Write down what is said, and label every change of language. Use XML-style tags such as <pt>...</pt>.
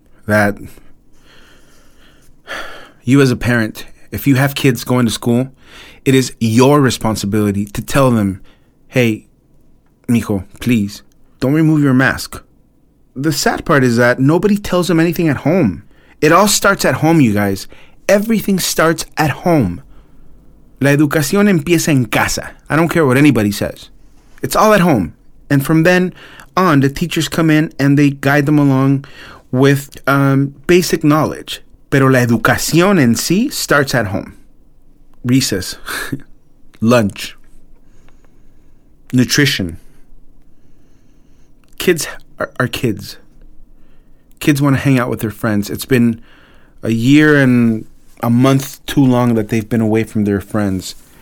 <en>That you as a parent, if you have kids going to school, it is your responsibility to tell them, hey, mijo, please, don't remove your mask. The sad part is that nobody tells them anything at home. It all starts at home, you guys. Everything starts at home.</en> <es>La educación empieza en casa.</es> <en>I don't care what anybody says. It's all at home. And from then on, the teachers come in and they guide them along with basic knowledge.</en> <es>Pero la educación en sí</es> <en>starts at home. Recess, lunch, nutrition. Kids are kids. Kids want to hang out with their friends. It's been a year and a month too long that they've been away from their friends.</en>